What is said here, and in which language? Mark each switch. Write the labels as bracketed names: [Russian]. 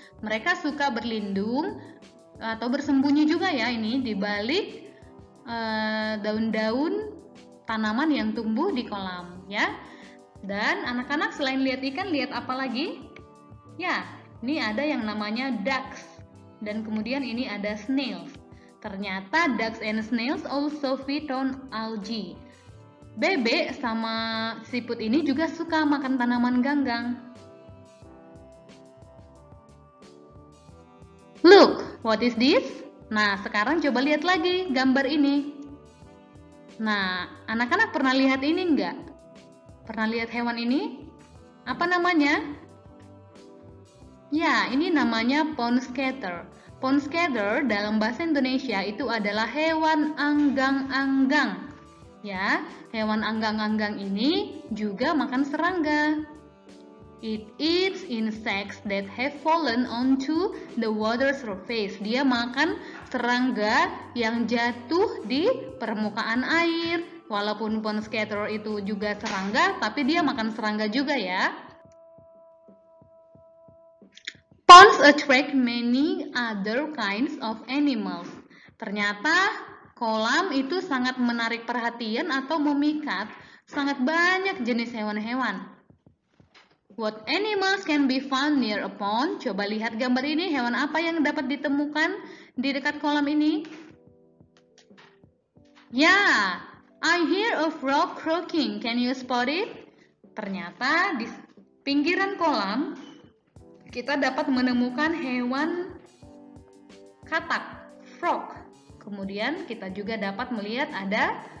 [Indonesian] Mereka suka berlindung atau bersembunyi juga ya ini di balik daun-daun tanaman yang tumbuh di kolam ya. Dan anak-anak selain lihat ikan, lihat apa lagi? Ya, ini ada yang namanya ducks. Dan kemudian ini ada snails. [English] Ternyata ducks and snails also feed on algae. [Indonesian] Bebek sama siput ini juga suka makan tanaman ganggang. [English] Look, what is this? [Indonesian] Nah, sekarang coba lihat lagi gambar ini. Nah, anak-anak pernah lihat ini enggak? Pernah lihat hewan ini? Apa namanya? Ya, ini namanya pond skater. Pond skater dalam bahasa Indonesia itu adalah hewan anggang-anggang. Ya, hewan anggang-anggang ini juga makan serangga. [English] It eats insects that have fallen onto the water surface. [Indonesian] Dia makan serangga yang jatuh di permukaan air. Walaupun pond skater itu juga serangga, tapi dia makan serangga juga ya. [English] Ponds attract many other kinds of animals. [Indonesian] Ternyata kolam itu sangat menarik perhatian atau memikat sangat banyak jenis hewan-hewan. [English] What animals can be found near a pond? [Indonesian] Coba lihat gambar ini, hewan apa yang dapat ditemukan di dekat kolam ini? [English] Ya, I hear a frog croaking. Can you spot it? [Indonesian] Ternyata di pinggiran kolam kita dapat menemukan hewan katak, frog. Kemudian kita juga dapat melihat ada